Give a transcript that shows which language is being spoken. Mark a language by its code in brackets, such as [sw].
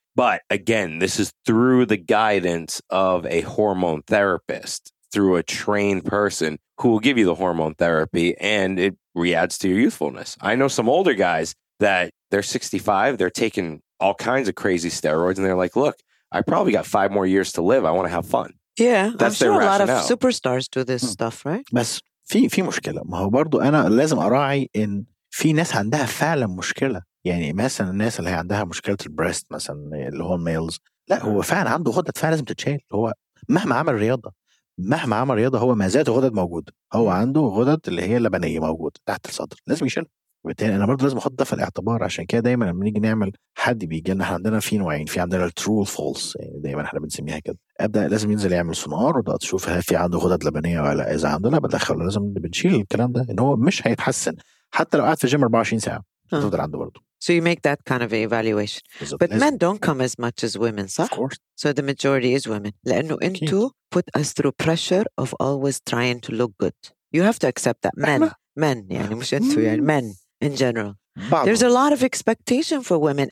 [en] But again, this is through the guidance of a hormone therapist, through a trained person who will give you the hormone therapy. And it re-adds to your youthfulness. I know some older guys that they're 65, they're taking all kinds of crazy steroids, and they're like, look, I probably got 5 more years to live. I want to have fun. Yeah, that's I'm sure rationale. A lot of superstars do this stuff, right? [ar] بس في مشكلة. ما هو برضو أنا لازم أراعي إن في ناس عندها فعلا مشكلة. يعني مثلا الناس اللي هي عندها مشكلة البريست مثلا اللي هو الميلز. لا هو فعلا عنده غدد فعلا لازم تتشال. هو مهما عمل رياضة هو ما زالت غدد موجود. هو عنده غدد اللي هي اللبنية موجود تحت الصدر لازم يشيل. وبالتالي أنا برضو لازم أحط ده في الاعتبار عشان كده دايما لما نيجي نعمل حد بيجي لنا احنا عندنا في نوعين في عندنا الترو الفولس يعني دايما احنا بنسميها كده أبدأ لازم ينزل يعمل سونار وده تشوف هل في عنده غدد لبنية ولا إذا عنده لا بدخله لازم بنشيل الكلام ده إنه مش هيتحسن حتى لو قعد في الجيم 24 ساعة تفضل عنده برضو. [en] So you make that kind of evaluation. But men don't come as much as women, so? Of course. So the majority is women. [ar] لأنه أنتو [en] put us through pressure of always trying to look good. You have to accept that. [ar] Men, يعني مش أنتو يعني [en] men in general. There's a lot of expectation for women.